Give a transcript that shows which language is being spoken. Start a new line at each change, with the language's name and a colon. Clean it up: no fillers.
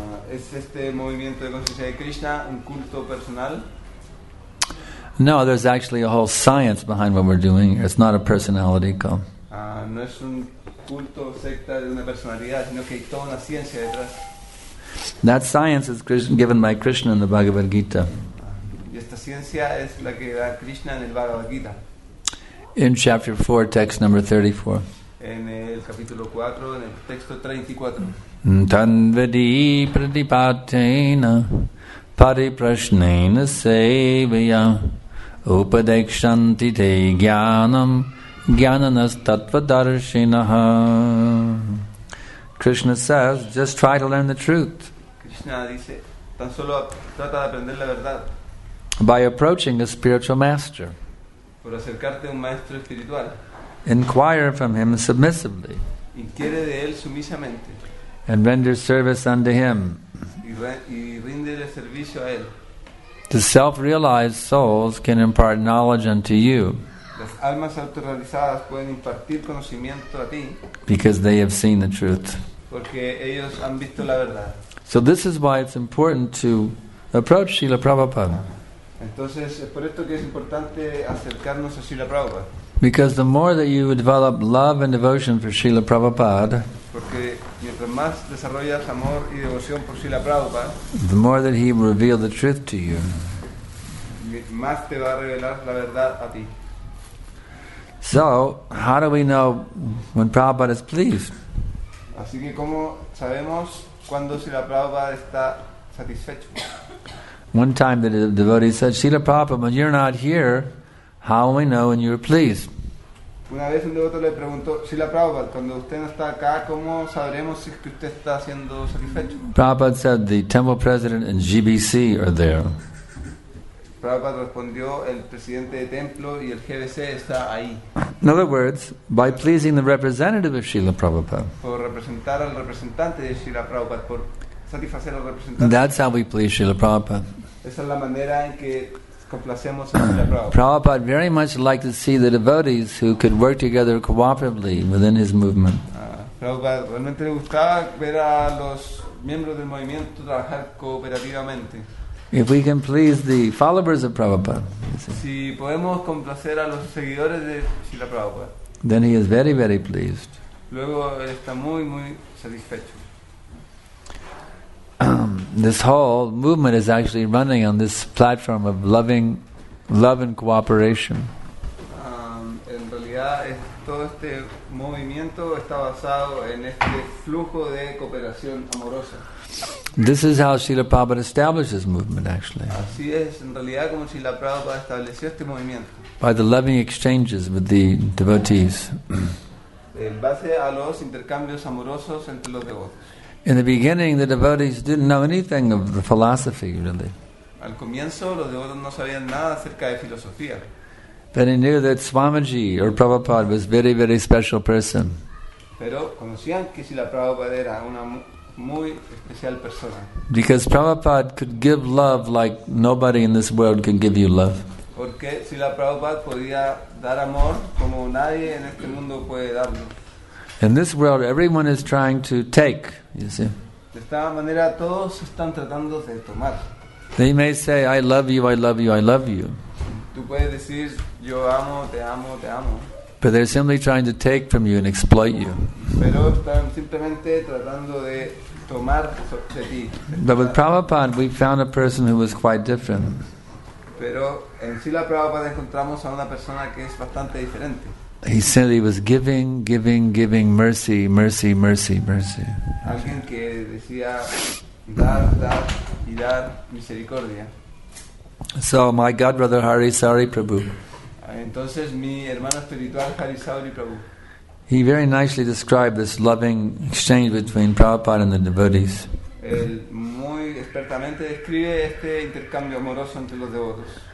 Spanish: ¿Es este movimiento de conciencia de Krishna un culto personal?
English: No, there's actually a whole science behind what we're doing. It's not a personality cult.
Spanish: No es un culto o secta de una personalidad, sino que hay toda una ciencia detrás.
English: That science is given by Krishna in the Bhagavad Gita.
Spanish: Y esta ciencia es la que da Krishna en el Bhagavad Gita.
English: In chapter 4, text number 34.
Spanish: En el capítulo 4, en el texto 34.
Sanskrit: Tanvedi pratipatena pariprashnena sevaya upadekshanti te jnanam jnananas tattvadarshinaha.
English: Krishna says, just try to learn the truth.
Spanish: Krishna dice, tan solo trata de aprender la verdad.
English: By approaching a spiritual master.
Spanish: Por acercarte a un maestro espiritual.
English: Inquire from him submissively.
Spanish: Inquire de él sumisamente.
English: And render service unto him.
Spanish: Y rindele servicio a él.
English: The self-realized souls can impart knowledge unto you.
Spanish: Las almas autorrealizadas pueden impartir conocimiento a ti.
English: Because they have seen the truth.
Spanish: Porque ellos han visto la verdad.
English: So this is why it's important to approach Srila Prabhupada.
Spanish: Entonces, es por esto que es importante acercarnos a Srila Prabhupada.
English: Because the more that you develop love and devotion for Srila Prabhupada,
Spanish: porque mientras más desarrollas amor y devoción por Srila Prabhupada,
English: the more that he will reveal the truth to you.
Spanish: Más te va a revelar la verdad a ti.
English: So, how do we know when Prabhupada is pleased?
Spanish: Así que, ¿cómo sabemos cuando Srila Prabhupada está satisfecho?
English: One time the devotee said, Srila Prabhupada, when you're not here, how do we know when you're pleased?
Spanish: Una vez un devoto le preguntó, Srila Prabhupada, cuando usted no está acá, ¿cómo sabremos si es que usted está siendo satisfecho?
English: Prabhupada said, the temple president and GBC are there.
Spanish: Prabhupada respondió, el presidente de templo y el GBC está ahí.
English: In other words, by pleasing the representative of Srila Prabhupada.
Spanish: Por representar al representante de Srila Prabhupada, por satisfacer al representante.
English: That's how we please Srila Prabhupada.
Spanish: Esa es la manera en que complacemos a Srila Prabhupada.
English: Prabhupada very much liked to see the devotees who could work together cooperatively within his movement.
Spanish: Prabhupada realmente le gustaba ver a los miembros del movimiento trabajar cooperativamente.
English: If we can please the followers of Prabhupada,
Spanish: si podemos complacer a los seguidores de Srila Prabhupada,
English: then he is very, very pleased.
Spanish: Luego él está muy, muy satisfecho.
English: This whole movement is actually running on this platform of loving, love and cooperation.
Spanish: En realidad, todo este movimiento está basado en este flujo de cooperación amorosa.
English: This is how Srila Prabhupada established this movement, actually.
Spanish: Así es, en realidad, como Srila Prabhupada estableció este movimiento.
English: By the loving exchanges with the devotees.
Spanish: En base a los intercambios amorosos entre los devotos.
English: In the beginning, the devotees didn't know anything of the philosophy, really.
Spanish: Al comienzo, los devotos no sabían nada acerca de filosofía.
English: But they knew that Swamiji or Prabhupada was a very, very special person.
Spanish: Pero conocían que Srila Prabhupada era una muy especial persona.
English: Because Prabhupada could give love like nobody in this world can give you love.
Spanish: Porque Srila Prabhupada podía dar amor como nadie en este mundo puede darlo.
English: In this world, everyone is trying to take, you see.
Spanish: De esta manera, todos están tratando de tomar.
English: They may say, I love you, I love you, I love you.
Spanish: Tú puedes decir, yo amo, te amo, te amo.
English: But they're simply trying to take from you and exploit you.
Spanish: Pero están simplemente tratando de tomar de ti.
English: But with Prabhupada, we found a person who was quite different.
Spanish: Pero en Srila Prabhupada encontramos a una persona que es bastante diferente.
English: He said he was giving, giving, giving mercy, mercy, mercy, mercy.
Spanish: Alguien que decía dar, dar y dar misericordia.
English: So my god brother Harisari Prabhu.
Spanish: Entonces mi hermano espiritual Harisari Prabhu.
English: He very nicely described this loving exchange between Prabhupada and the devotees.
Spanish: Él muy expertamente describe este intercambio amoroso entre los devotos.